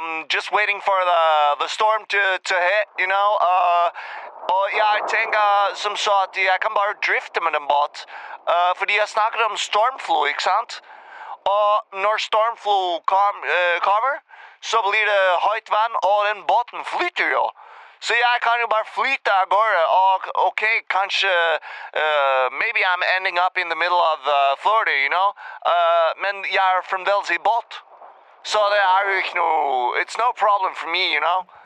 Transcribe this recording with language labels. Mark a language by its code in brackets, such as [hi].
[en] Just waiting for the storm to hit, you know. [no] Jeg tenker som så at jeg kan bare drifte med den båt. Fordi jeg snakket om stormflu, ikke sant? Og når stormflu kommer, så blir det høyt vann, og den båten flyter jo. Så jeg kan jo bare flyte agora. Og ok, kanskje, [en] maybe I'm ending up in the middle of Florida, you know. [no] Men jeg fremdeles i båt. Så det jo ikke noe, [en] it's no problem for me, you know.